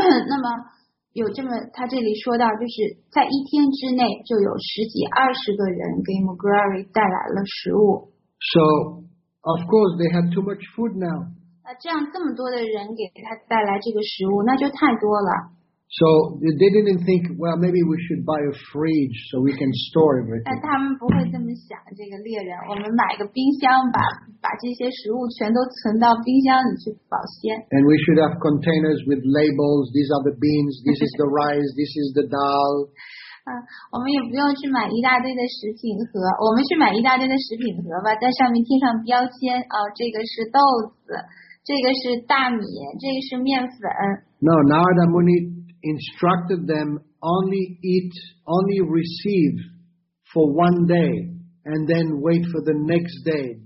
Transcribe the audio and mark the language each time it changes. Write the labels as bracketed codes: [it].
[zh] 那么有这么，他这里说到，就是在一天之内就有十几二十个人给 Mugrari 带来了食物。 [en] So, of course, they have too much food now. [zh] 这样这么多的人给他带来这个食物，那就太多了。 [en] So they didn't think, well, maybe we should buy a fridge so we can store everything. [zh] 但他们不会这么想，这个猎人，我们买个冰箱把这些食物全都存到冰箱里去保鲜。 [en] And we should have containers with labels. These are the beans. This is the rice. This is the dal. [zh] 我们也不用去买一大堆的食品盒，我们去买一大堆的食品盒吧，在上面贴上标签，这个是豆子。这个是大米，这个是面粉。 [en] No, Narada Muni instructed them only eat, only receive for one day, and then wait for the next day.